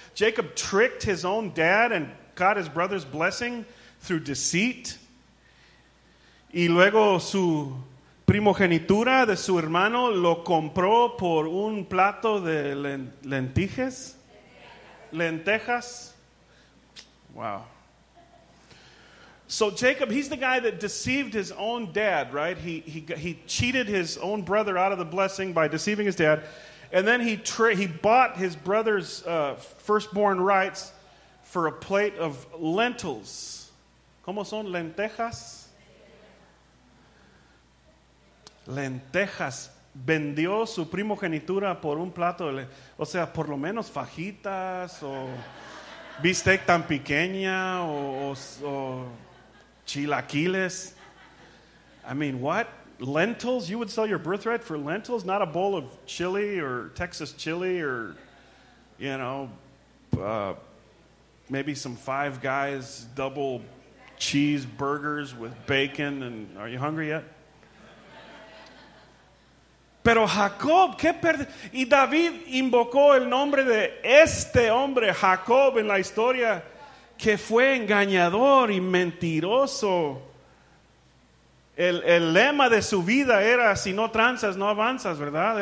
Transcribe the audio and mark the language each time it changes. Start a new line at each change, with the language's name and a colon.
English: Jacob tricked his own dad and got his brother's blessing through deceit.
Spanish: Y luego su primogenitura de su hermano lo compró por un plato de lentejas.
English: Wow. So Jacob, he's the guy that deceived his own dad, right? He cheated his own brother out of the blessing by deceiving his dad. And then he bought his brother's firstborn rights for a plate of lentils.
Spanish: ¿Cómo son lentejas? Lentejas. Vendió su primogenitura por un plato de, o sea, por lo menos fajitas o bistec tan pequeña o chilaquiles.
English: I mean, what? Lentils? You would sell your birthright for lentils? Not a bowl of chili or Texas chili or, you know, maybe some Five Guys double cheeseburgers with bacon and, are you hungry yet?
Spanish: Pero Jacob, ¿qué perdió? Y David invocó el nombre de este hombre, Jacob, en la historia, que fue engañador y mentiroso. El lema de su vida era, si no tranzas, no avanzas, ¿verdad?